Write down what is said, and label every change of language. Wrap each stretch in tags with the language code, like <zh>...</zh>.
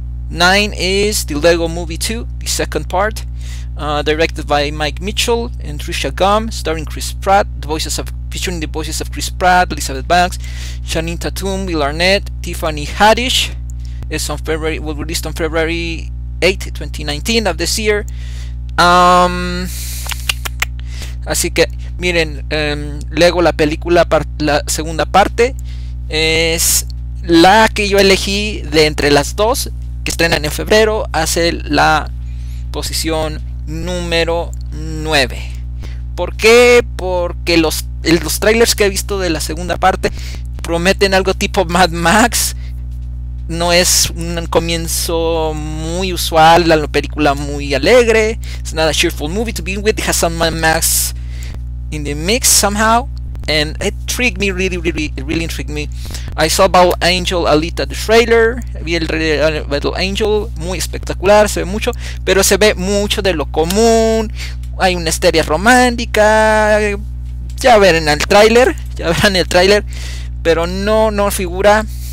<en>9 is the Lego Movie 2, the second part. Directed by Mike Mitchell and Trisha Gumm, starring Chris Pratt, featuring the voices of Chris Pratt, Elizabeth Banks, Channing Tatum, Will Arnett, Tiffany Haddish. It's on February, will be released on February 8, 2019 of this year.</en> <es>Así que miren, Lego la película, la segunda parte es la que yo elegí de entre las dos que estrenan en febrero, hace la posición número 9. ¿Por qué? Porque los trailers que he visto de la segunda parte prometen algo tipo Mad Max. No es un comienzo muy usual, la película muy alegre.</es> <en>It's not a cheerful movie to begin with. It has some Mad Max in the mix somehow. And it intrigued me, really, really, really intrigued me. I saw Battle Angel Alita, the trailer.</en> <es>Vi el Battle Angel, muy espectacular, se ve mucho. Pero se ve mucho de lo común. Hay una histeria romántica. Ya verán el trailer, ya verán el trailer. Pero no figura.</es>